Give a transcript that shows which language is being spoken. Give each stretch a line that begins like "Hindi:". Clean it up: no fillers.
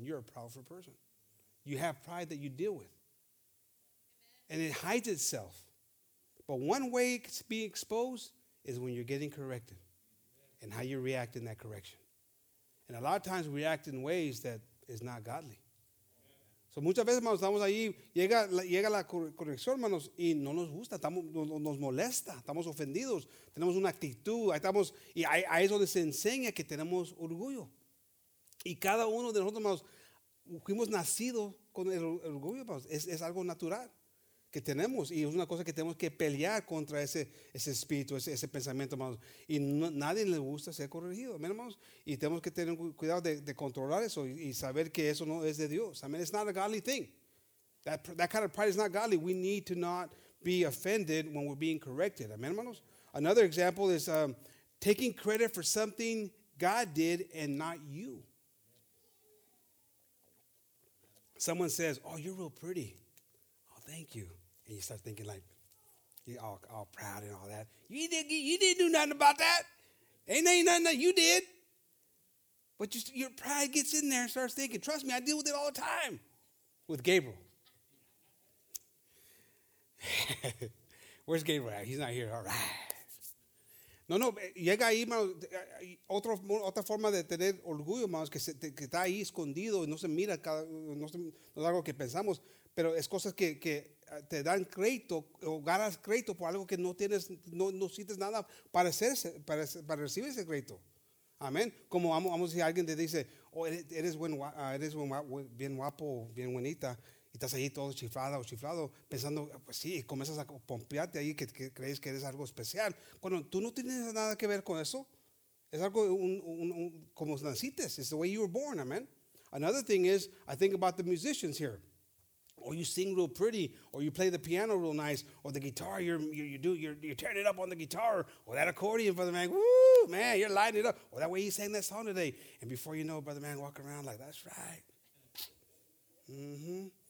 English: You're a proudful person. You have pride that you deal with. Amen. And it hides itself. But one way it's being exposed is when you're getting corrected. Amen. And how you react in that correction. And a lot of times we react in ways that is not godly.
Spanish: So muchas veces, hermanos, estamos ahí, llega la corrección, hermanos, y no nos gusta, nos molesta, estamos ofendidos, tenemos una actitud, ahí es donde se enseña que tenemos orgullo. Y cada uno de nosotros, hermanos, fuimos nacidos con el orgullo, hermanos, es algo natural que tenemos, y es una cosa que tenemos que pelear contra ese espíritu, ese pensamiento, hermanos, y nadie le gusta ser corregido, amén, hermanos, y tenemos que tener cuidado de controlar eso y saber que eso no es de Dios.
English: I mean, it's not a godly thing. That kind of pride is not godly. We need to not be offended when we're being corrected,
Spanish: amén, hermanos.
English: Another example is taking credit for something God did and not you. Someone says, oh, you're real pretty. Thank you. And you start thinking like, you're all proud and all that. You didn't do nothing about that. Ain't nothing that you did. But just your pride gets in there and starts thinking, trust me, I deal with it all the time with Gabriel. Where's Gabriel at? He's not here. All right.
Spanish: No, no, llega ahí, hermano, otra forma de tener orgullo, hermano, que, que está ahí escondido y no se mira, cada, no es algo que pensamos, pero es cosas que te dan crédito o ganas crédito por algo que no tienes, no sientes nada para hacerse, para recibir ese crédito. Amén. Como vamos a decir, alguien te dice, oh, eres bien guapo, bien buenita, y estás ahí todo chiflada o chiflado, pensando, pues sí, y comienzas a pompearte ahí que crees que eres algo especial. Bueno, tú no tienes nada que ver con eso. Es algo un como naciste.
English: It's the way you were born, amen. Another thing is, I think about the musicians here. Or you sing real pretty, or you play the piano real nice, or the guitar, you're tearing it up on the guitar, or that accordion, Brother Mang, woo, man, you're lighting it up. Or that way you sang that song today. And before you know, Brother Mang, walk around like, that's right. Mm-hmm.